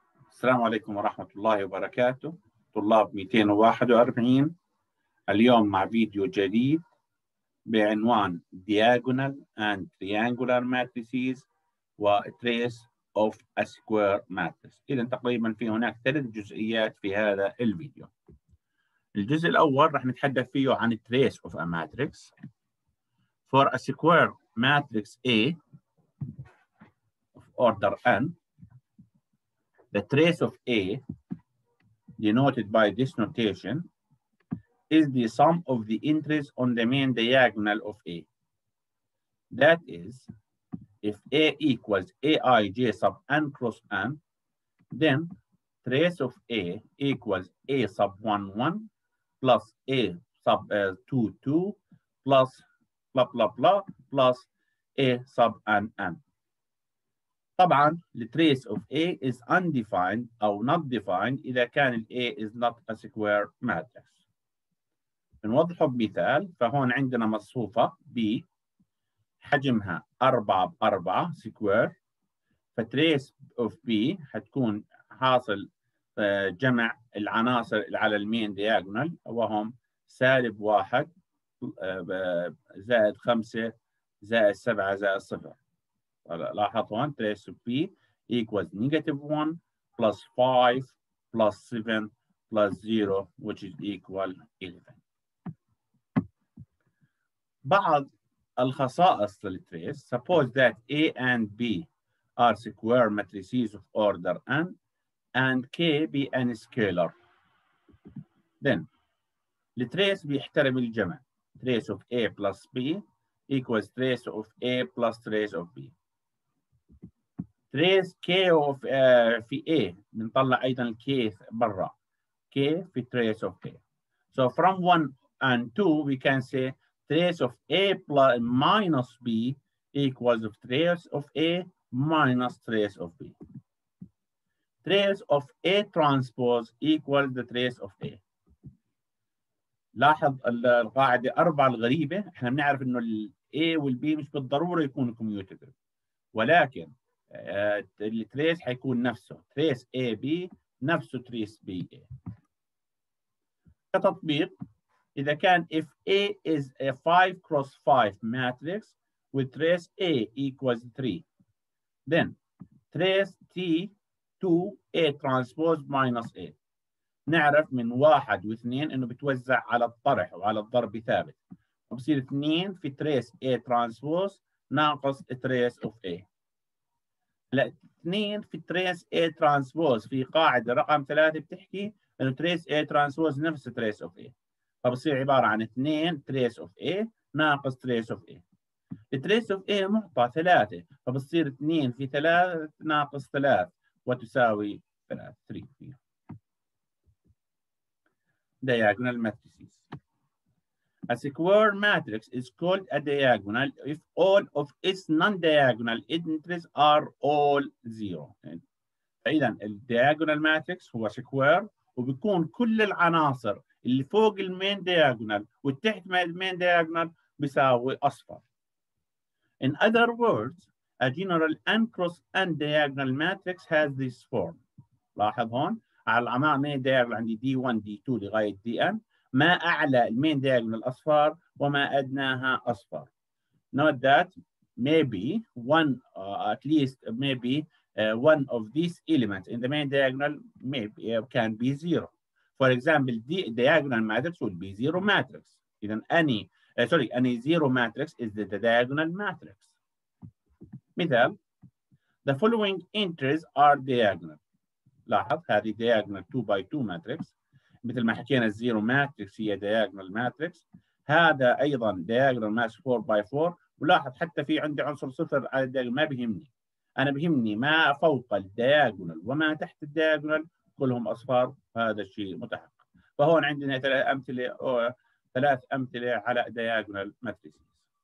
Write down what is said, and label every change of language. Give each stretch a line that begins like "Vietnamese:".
Arabic: السلام عليكم ورحمة الله وبركاته طلاب 241 اليوم مع فيديو جديد بعنوان
English: Diagonal and Triangular Matrices و Trace of a Square Matrix.
Arabic: إذن تقريبا في هناك ثلاث جزئيات في هذا الفيديو. الجزء الأول رح نتحدث فيه عن Trace of a Matrix.
English: For a Square Matrix A of Order N, the trace of A, denoted by this notation, is the sum of the entries on the main diagonal of A. That is, if A equals Aij sub n cross n, then trace of A equals A sub 1, 1, plus A sub 2, 2, plus blah, blah, blah, plus A sub n, n. طبعاً the trace of A is undefined أو not defined
Arabic: إذا كان
English: A is not a square matrix.
Arabic: نوضحه بمثال فهون عندنا مصفوفة B حجمها 4 ب 4 square فtrace of B هتكون حاصل جمع العناصر على المين diagonal وهم سالب 1 زائد 5 زائد 7 زائد 0.
English: لاحظ هون trace of B equals negative 1 plus 5 plus 7 plus 0 which is equal 11.
Arabic: بعض الخصائص للتريس
English: suppose that A and B are square matrices of order N and K be an scalar. Then
Arabic: التريس بيحترم الجمع
English: trace of A plus B equals trace of A plus trace of B.
Arabic: Trace K of في A بنطلع أيضا K برا K في trace of A.
English: So from 1 and 2 we can say trace of A plus minus B equals of trace of A minus trace of B. Trace of A transpose equals the trace of A.
Arabic: لاحظ القاعدة أربعة الغريبة إحنا بنعرف إنه ال A وال B مش بالضرورة يكون commutative ولكن التريس حيكون نفسه تريس A B نفسه تريس B A. كتطبيق إذا كان
English: if A is a 5 cross 5 matrix with trace A equals 3
Arabic: then trace T 2 A transpose minus A نعرف من 1 و 2 أنه بتوزع على الطرح وعلى الضرب ثابت وبصير 2 في تريس A transpose ناقص تريس of A. لا 2 في تريس A transpose في قاعدة رقم 3 بتحكي أنه تريس A transpose نفس تريس of A فبصير عبارة عن 2 تريس of A ناقص تريس of A. التريس of A معطى 3 فبصير 2 في 3 ناقص 3 وتساوي 3 3 diagonal matrices.
English: A square matrix is called a diagonal if all of its non-diagonal entries are all zero.
Arabic: فإذا ال diagonal matrix هو square وبيكون كل العناصر اللي فوق المين diagonal والتحت المين diagonal بيساوي أصفر.
English: In other words, a general n cross n diagonal matrix has this form.
Arabic: لاحظ هون على العمامة مين diagonal عندي D1 D2 لغاية Dn. ما أعلى المين دياجونال الأصفر وما أدناها أصفر.
English: Note that maybe one of these elements in the main diagonal maybe can be zero. For example, the diagonal matrix would be zero matrix. إذن any zero matrix is the diagonal matrix. مثال, the following entries are diagonal.
Arabic: لاحظ هذه diagonal 2x2 matrix. مثل ما حكينا الزيرو ماتريكس هي دياجونال ماتريكس هذا ايضا دياجونال ماتريكس 4x4 ولاحظ حتى في عندي عنصر صفر على الدياجونال ما بيهمني انا بيهمني ما فوق الدياجونال وما تحت الدياجونال كلهم اصفار هذا الشيء متحقق فهون عندنا ثلاث امثله على دياجونال ماتريكس.